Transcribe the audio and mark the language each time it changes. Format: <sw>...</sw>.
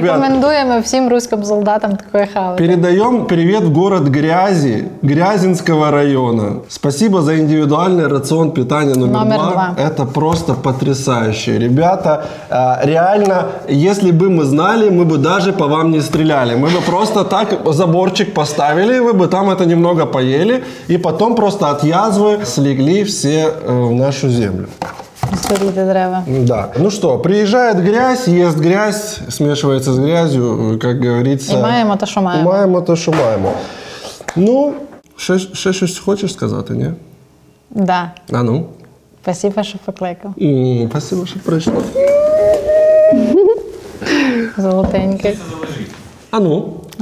<uk>Рекомендуємо всім русським солдатам такої хавати. Передаємо привіт в город Грязі, Грязінського району. Спасибо за індивідуальний раціон питання номер 2.</uk> <ru>Это просто потрясающе. Ребята, реально, если бы мы знали, мы бы даже по вам не стреляли. Мы бы просто так заборчик поставили, вы бы там это немного поели, и потом просто от язвы слегли все в нашу землю. Сходите древо. Да. Ну что, приезжает грязь, ест грязь, смешивается с грязью, как говорится.</ru> <uk>И маємо то, що маємо. Маємо то, що маємо. Ну, ще щось хочеш сказати, не? Да. А ну? Спасибо, що покликав. Спасибо, що прийшла. Золотенький. А ну?</uk>